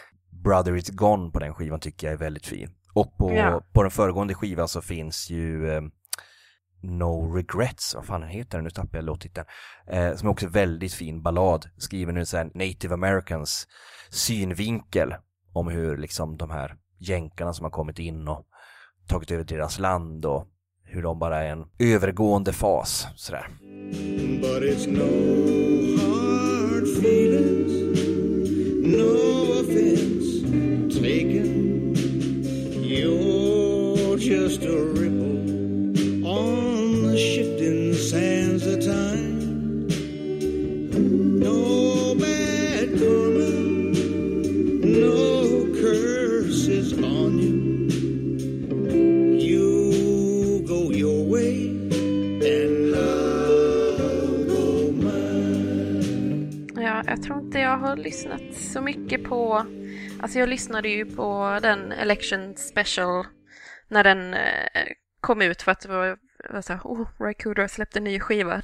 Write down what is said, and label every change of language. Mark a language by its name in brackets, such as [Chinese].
[Swedish] Brother It's Gone på den skivan tycker jag är väldigt fin. Och på den föregående skivan så finns ju No Regrets, vad fan heter den, nu tappade jag låttiteln, som är också väldigt fin ballad, skriven ur en Native Americans synvinkel om hur liksom de här jänkarna som har kommit in och tagit över deras land och hur de bara är en övergående fas sådär. [English] But it's no hard feelings, no offense taken, you're just a ripple shifting sands of time. No bad karma, no curses on you. You go your way and I'll go mine. [Swedish] Ja, jag tror inte jag har lyssnat så mycket på, alltså jag lyssnade ju på den Election Special när den kom ut, för att det var Ry Cooder släppte en ny skiva.